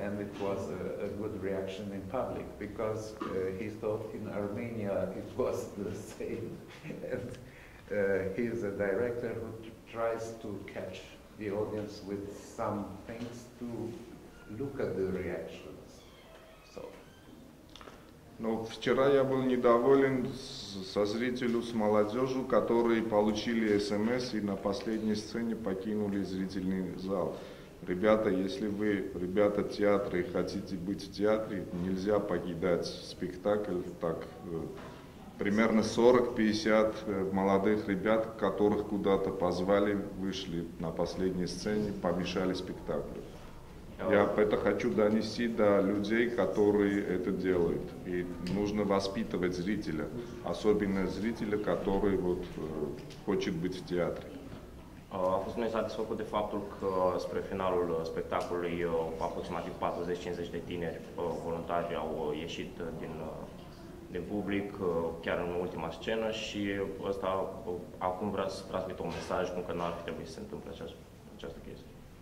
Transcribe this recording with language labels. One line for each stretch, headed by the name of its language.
English: And it was a good reaction in public, because he thought in Armenia it was the same. And he is a director who tries to catch the audience with some things to look at the reactions. So.
Russian: Но вчера я был недоволен со зрителю, с молодежью, которые получили СМС и на последней сцене покинули зрительный зал. Ребята, если вы, ребята театра, и хотите быть в театре, нельзя покидать спектакль. Так, примерно 40-50 молодых ребят, которых куда-то позвали, вышли на последней сцене, помешали спектаклю. Я это хочу донести до людей, которые это делают. И нужно воспитывать зрителя, особенно зрителя, который вот хочет быть в театре.
Romanian: Am fost noi satisfăcut de faptul că spre finalul spectacolului aproximativ 40-50 de tineri voluntari au ieșit din public, chiar în ultima scenă, și ăsta acum vrea să transmită un mesaj cum că n-ar trebui să se întâmple această chestie.